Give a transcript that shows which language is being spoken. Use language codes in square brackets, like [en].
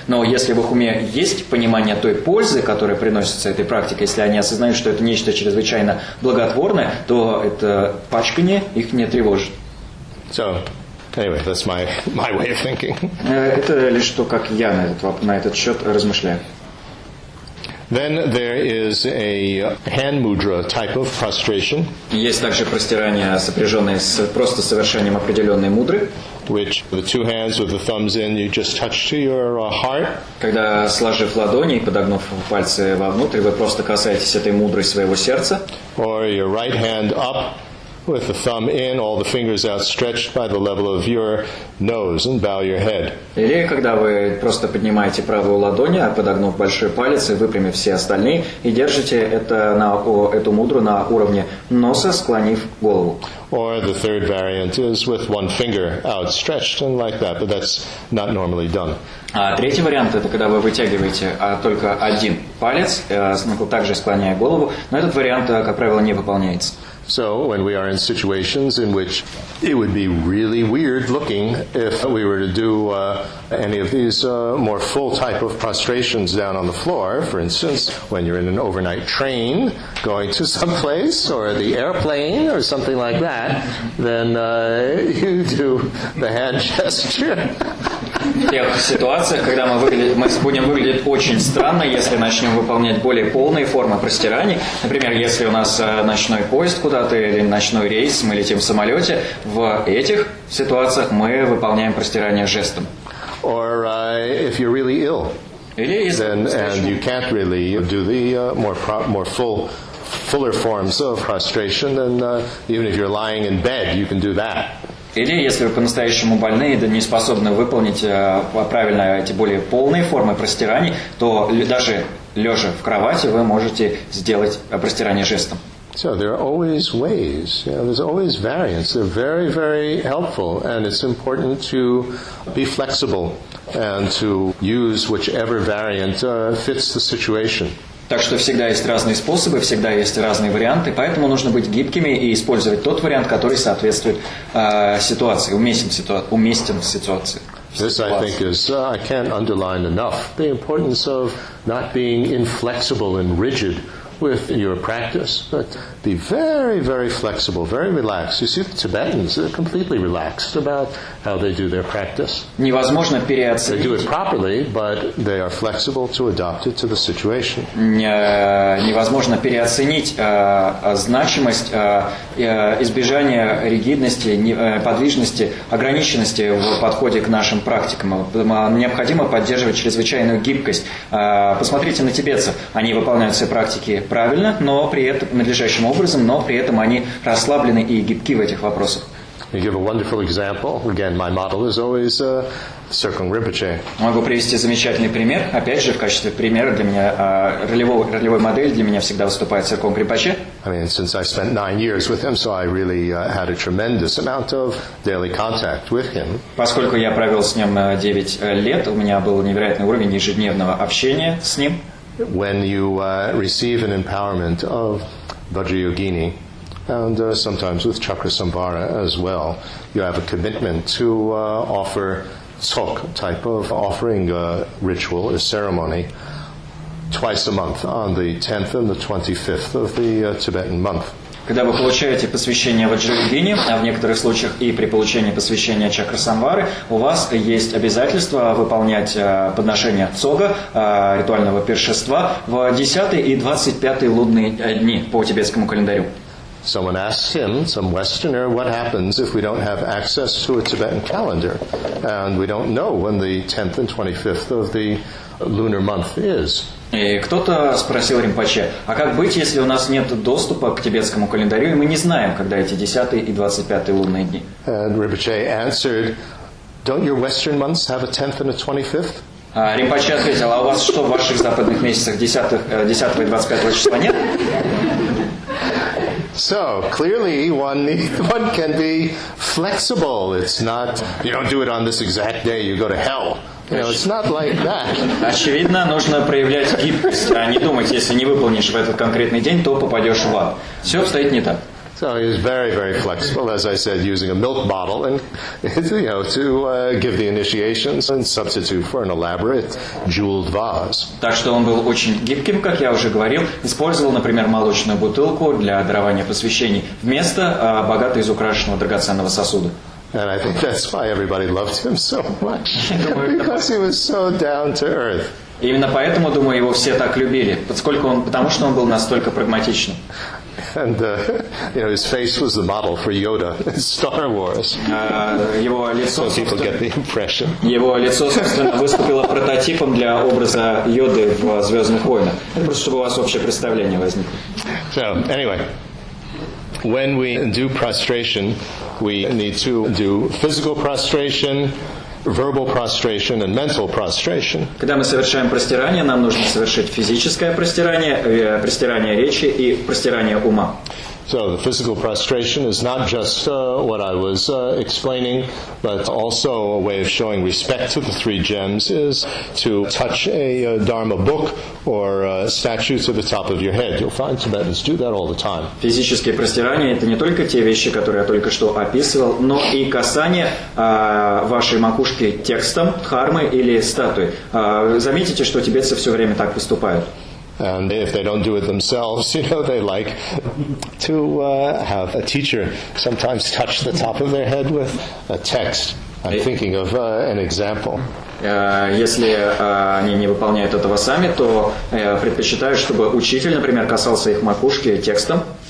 [ru] Но если в их уме есть понимание той пользы, которая приносится этой практике, если они осознают, что это нечто чрезвычайно благотворное, то это пачкание и не тревожит. [en] So, anyway, that's my way of thinking. [ru] Это лишь то, как я на этот счет размышляю. [en] Then there is a hand mudra type of prostration. [ru] Есть также простирание, сопряженное с просто совершением определенной мудры. [en] Which the two hands with the thumbs in, you just touch to your heart. [ru] Когда сложив ладони и подогнув пальцы вовнутрь, вы просто касаетесь этой мудры своего сердца. [en] Or your right hand up. With the thumb in, all the fingers outstretched by the level of your nose, and bow your head. [ru] Или когда вы просто поднимаете правую ладонь, подогнув большой палец и выпрямив все остальные, и держите это эту мудру на уровне носа, склонив голову. [en] Or the third variant is with one finger outstretched and like that, but that's not normally done. [ru] А третий вариант – это когда вы вытягиваете только один палец, также склоняя голову, но этот вариант, как правило, не выполняется. [en] So when we are in situations in which it would be really weird looking if we were to do any of these more full type of prostrations down on the floor, for instance, when you're in an overnight train going to someplace or the airplane or something like that, then you do the hand gesture. [ru] В тех ситуациях, когда мы будем выглядеть очень странно, если начнем выполнять более полные формы простираний, например, если у нас ночной поезд куда-то или ночной рейс, мы летим в самолете, в этих ситуациях мы выполняем простирания жестом. [en] Or if you're really ill, then and you can't really do the fuller forms of prostration, then even if you're lying in bed, you can do that. [ru] Или если вы по-настоящему больны и не способны выполнить правильно эти более полные формы простираний, то даже лежа в кровати вы можете сделать простирание жестом. [en] So there are always ways, you know, there's always variants. They're very, very helpful, and it's important to be flexible and to use whichever variant fits the situation. [ru] Так что всегда есть разные способы, всегда есть разные варианты, поэтому нужно быть гибкими и использовать тот вариант, который соответствует ситуации, уместен в ситуации. [en] This, I think, is I can't underline enough the importance of not being inflexible and rigid with your practice, but be very, very flexible, very relaxed. You see, the Tibetans are completely relaxed about how they do their practice. [ru] Невозможно переоценить. [en] They do it properly, but they are flexible to adapt it to the situation. [ru] Невозможно переоценить значимость избежания ригидности, подвижности, ограниченности в подходе к нашим практикам. Необходимо поддерживать чрезвычайную гибкость. Посмотрите на тибетцев. Они выполняют все практики правильно, но при этом надлежащим образом, но при этом они расслаблены и гибки в этих вопросах. [en] You give a wonderful example. Again, my model is always circling Rinpoche. [ru] Могу привести замечательный пример. Опять же, в качестве примера для меня ролевой модель для меня всегда выступает Серкон Рипаче. [en] I mean, since I spent 9 years with him, so I really had a tremendous amount of daily contact with him. [ru] Поскольку я провел с ним 9 лет, у меня был невероятный уровень ежедневного общения с ним. [en] When you receive an empowerment of Vajrayogini, and sometimes with Chakrasambhara as well, you have a commitment to offer tsok type of offering ritual or ceremony twice a month on the 10th and the 25th of the Tibetan month. К [ru] Когда вы получаете посвящение ваджрайогини, а в некоторых случаях и при получении посвящения чакры самвары, у вас есть обязательство выполнять подношение цога, ритуального пиршества, в 10 и 25 лунные дни по тибетскому календарю. [en] Someone asked him, some Westerner, what happens if we don't have access to a Tibetan calendar and we don't know when the 10th and 25th of the lunar month is. [ru] И кто-то спросил Ринпоче, а как быть, если у нас нет доступа к тибетскому календарю, и мы не знаем, когда эти 10 и 25 лунные дни? [en] And Ринпоче answered, don't your Western months have a 10th and a 25th? [ru] Ринпоче ответил, а у вас что, в ваших западных месяцах 10 и 25 числа нет? [en] So clearly one can be flexible. It's not you don't do it on this exact day, you go to hell. You know, it's not like that. [ru] Очевидно, нужно проявлять гибкость, а не думать, если не выполнишь в этот конкретный день, то попадешь в ад. Все обстоит не так. [en] So he's very, very flexible, as I said, using a milk bottle and to give the initiations and substitute for an elaborate jeweled vase. [ru] Так что он был очень гибким, как я уже говорил, использовал, например, молочную бутылку для дарования посвящений вместо богато изукрашенного драгоценного сосуда. [en] And I think that's why everybody loved him so much, because he was so down to earth. [ru] Именно поэтому, думаю, его все так любили, потому что он был настолько прагматичным. [en] And his face was the model for Yoda in Star Wars. [ru] Его лицо, [en] so people get the impression. [ru] Его лицо, собственно, выступило прототипом для образа Йоды в «Звездных войнах». Это просто, чтобы у вас общее представление возникло. [en] So, anyway, when we do prostration, we need to do physical prostration, verbal prostration and mental prostration. [ru] Когда мы совершаем простирание, нам нужно совершить физическое простирание, простирание речи и простирание ума. [en] So the physical prostration is not just what I was explaining, but also a way of showing respect to the three gems is to touch a Dharma book or a statue to the top of your head. You'll find Tibetans do that all the time. [ru] Физическое простирание – это не только те вещи, которые я только что описывал, но и касание вашей макушки текстом, дхармы или статуи. Заметите, что тибетцы все время так поступают. [en] And if they don't do it themselves, they like to have a teacher sometimes touch the top of their head with a text. I'm thinking of an example. [ru] Если они не выполняют этого сами, то предпочитаю, чтобы учитель, например, касался их макушки текстом.